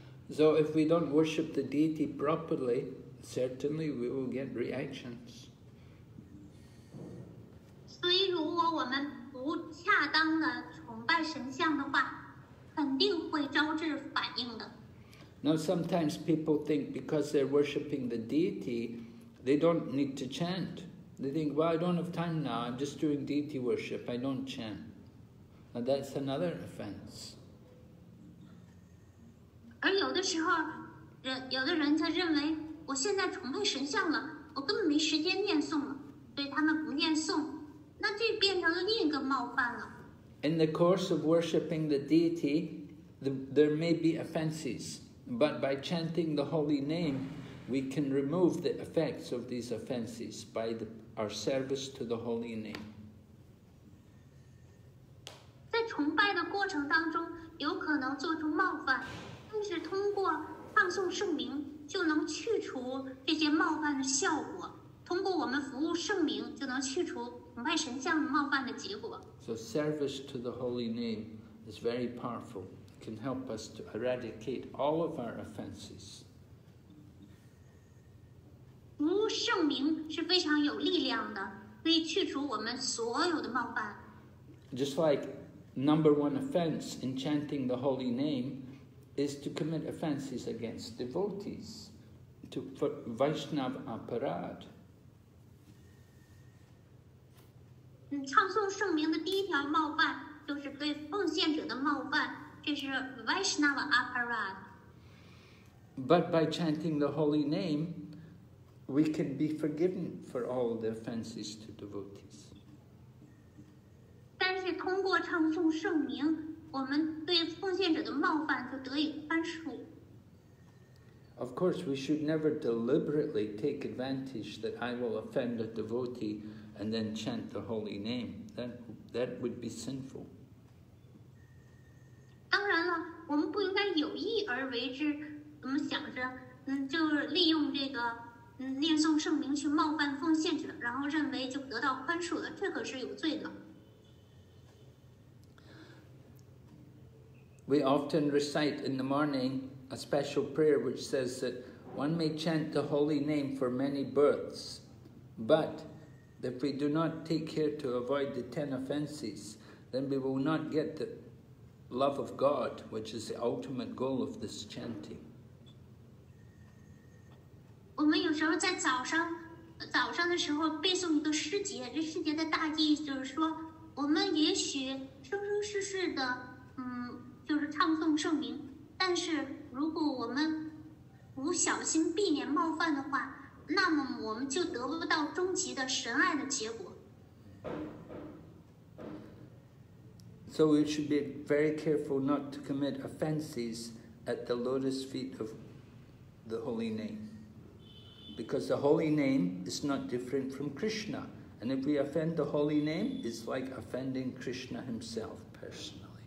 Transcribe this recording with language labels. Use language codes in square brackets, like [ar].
[en] So if we don't worship the deity properly, certainly we will get reactions. [zh] 所以如果我们不恰当的崇拜神像的话，肯定会招致反应的。 [en] Now sometimes people think because they're worshiping the deity, they don't need to chant. They think, well, I don't have time now. I'm just doing deity worship. I don't chant. Now that's another offense. [zh] 而有的时候，有的人他认为我现在崇拜神像了，我根本没时间念诵了，所以他们不念诵，那这变成了另一个冒犯了。 [en] In the course of worshipping the deity, there may be offenses, but by chanting the holy name, we can remove the effects of these offenses by our service to the holy name. [zh] 在崇拜的过程当中，有可能做出冒犯，但是通过唱诵圣名就能去除这些冒犯的效果。通过我们服务圣名，就能去除崇拜神像冒犯的结果。 [en] So service to the holy name is very powerful. It can help us to eradicate all of our offenses. [zh] 服务圣名是非常有力量的，可以去除我们所有的冒犯。 [en] Just like Number one offense in chanting the holy name is to commit offenses against devotees, for Vaishnava aparad. [zh] 唱诵圣名的第一条冒犯就是对奉献者的冒犯，这是 Vaishnava aparad. [en] But by chanting the holy name, we can be forgiven for all the offenses to devotees. [zh] 是通过唱诵圣名，我们对奉献者的冒犯就得以宽恕。 [en] Of course, we should never deliberately take advantage that I will offend a devotee and then chant the holy name. That would be sinful. [zh] 当然了，我们不应该有意而为之，我们想着，就利用这个，念诵圣名去冒犯奉献者，然后认为就得到宽恕了，这可是有罪的。 [en] We often recite in the morning a special prayer which says that one may chant the holy name for many births, but if we do not take care to avoid the 10 offenses, then we will not get the love of God, which is the ultimate goal of this chanting. [zh] 我们有时候在早上的时候背诵一个诗节，这诗节的大意就是说，我们也许生生世世的，就是唱诵圣名，但是如果我们不小心避免冒犯的话，那么我们就得不到终极的神爱的结果。 [en] So we should be very careful not to commit offenses at the lotus feet of the holy name. Because the holy name is not different from Krishna. And if we offend the holy name, it's like offending Krishna himself personally.